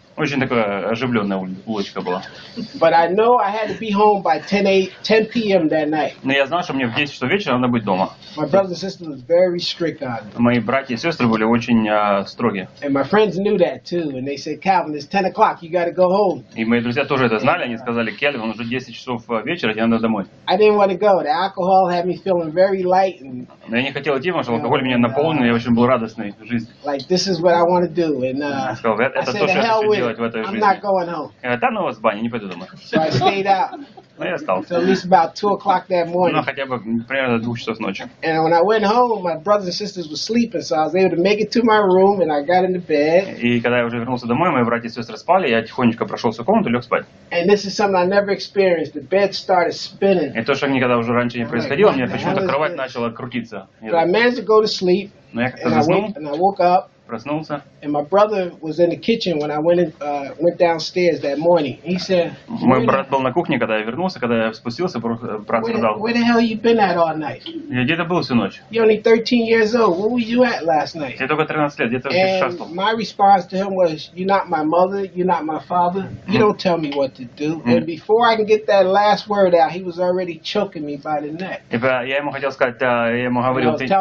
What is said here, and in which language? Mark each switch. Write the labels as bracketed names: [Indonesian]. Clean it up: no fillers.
[Russian] Очень такая оживленная улочка была. [English] But I know I had to be home by 10 p.m. that night. [Russian] Но я знал, что мне в 10 часов вечера надо быть дома. [English] My brothers and sisters were very strict on me. [Russian] Мои братья и сестры были очень строги. [English] And my friends knew that too, and they said, Calvin, it's 10 o'clock, you got to go home. [Russian] И мои друзья тоже это знали, они сказали, Кельвин, уже 10 часов вечера, тебе надо домой. [English] I didn't want to go. The alcohol had me feeling very light. [Russian] Но я не хотел идти, потому что алкоголь меня наполнил, и я очень был радостный в жизни. [English] Like this is what I want to do, and [Russian] I сказал, это то, что я хочу делать. В этой жизни. [English] I'm not going home. [Russian] Я говорю, да, ну у вас в бане, не пойду домой. [English] So I stayed out. [Russian] Ну, я остался. [English] So at least about 2 o'clock that morning. [Russian] Ну, хотя бы примерно 2 часов ночи. [English] And when I went home, my brothers and sisters were sleeping, so I was able to make it to my room, and I got into bed. [Russian] И когда я уже вернулся домой, мои братья и сестры спали, я тихонечко прошелся в комнату и лег спать. [English] And this is something I never experienced. The bed started spinning. [Russian] И то, что никогда уже раньше не происходило, мне почему-то кровать начала крутиться. [English] But I managed to go to sleep. [Russian] Но я как-то заснул. [English] And I woke up. [Russian] Проснулся. [English] And my brother was in the kitchen when I went downstairs that morning. He said, [Russian] мой брат был на кухне, когда я вернулся, когда я спустился, брат сказал, [English] where the hell you been at all night? [Russian] Я где-то был всю ночь. [English] You're only 13 years old. Where were you at last night? [Russian] Я только 13 лет, где-то шастал. [English] My response to him was, you're not my mother, you're not my father. You don't tell me what to do. And before I can get that last word out, he was already choking me by the neck. [Russian] Я ему хотел сказать, я ему говорил,